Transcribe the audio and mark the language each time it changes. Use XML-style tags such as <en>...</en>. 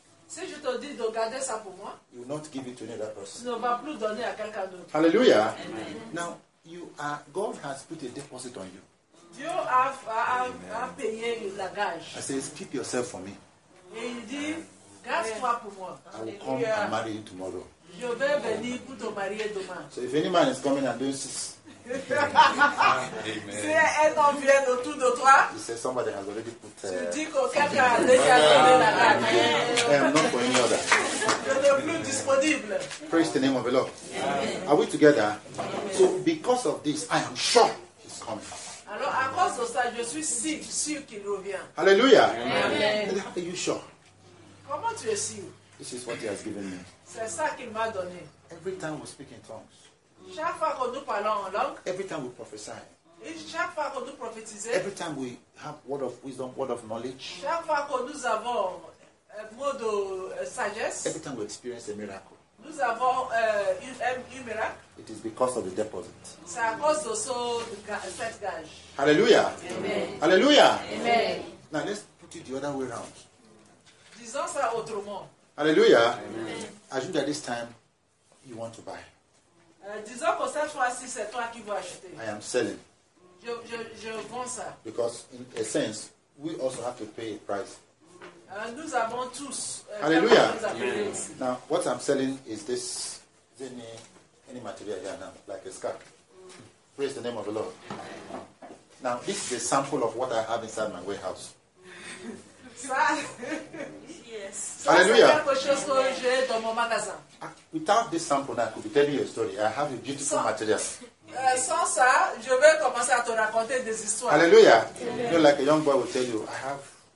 <fr>si je te dis de garder ça pour moi,</fr> <en>you will not give it to another person.</en> <fr>Ne va plus donner à quelqu'un d'autre.</fr> <en>Hallelujah. Amen. Now you are God has put a deposit on you.</en> <fr>Dieu a payé la gage.</fr> <en>I says keep yourself for me.</en> <fr>Et il dit, gaspoir pour moi.</fr> <en>I will come and marry you tomorrow.</en> <fr>Je vais venir pour te marier demain.</fr> <en>So if any man is coming and doing this, amen.</en> <fr>Si un homme vient autour de toi,</fr> <en>you say somebody has already put.</en> <fr>Tu dis que quelqu'un a déjà donné la gage.</fr> <en>I am not for any other.</en> <fr>Je ne suis plus disponible.</fr> <en>Praise the name of the Lord. Amen. Are we together? Amen. So because of this, I am sure he's coming.</en> <fr>Alors à cause de ça, je suis sûr qu'il revient.</fr> <en>Hallelujah. Amen. And how are you sure?</en> <fr>Comment tu es sûr?</fr> <en>This is what he has given me.</en> <fr>C'est ça qu'il m'a donné.</fr> <en>Every time we speak in tongues.</en> <fr>Chaque fois que nous parlons en langue.</fr> <en>Every time we prophesy.</en> <fr>Chaque fois que nous prophétisons.</fr> <en>Every time we have word of wisdom, word of knowledge.</en> <fr>Chaque fois que nous avons mot de sagesse.</fr> <en>Every time we experience a miracle.</en> <fr>Nous avons un miracle.</fr> <en>It is because of the deposit.</en> <fr>C'est à cause de cette gage.</fr> <en>Hallelujah. Amen. Hallelujah. Amen. Now let's put it the other way around.</en> <fr>Disons ça autrement.</fr> <en>Hallelujah. Amen. Assume that this time you want to buy.</en> <fr>Disons que cette fois-ci c'est toi qui veux acheter.</fr> <en>I am selling.</en> <fr>Je vends ça.</fr> <en>Because in a sense, we also have to pay a price.</en> <fr>Nous avons tous.</fr> <en>Hallelujah. Yes. Now, what I'm selling is this. Is there any material here now? Like a scarf. Praise the name of the Lord. Now, this is a sample of what I have inside my warehouse. Yes. Hallelujah. Without this sample, I could be telling you a story. I have a beautiful material.</en> <fr>Sans ça, je vais commencer à te raconter des histoires.</fr> <en>Hallelujah. You know, like a young boy will tell you, I have</en>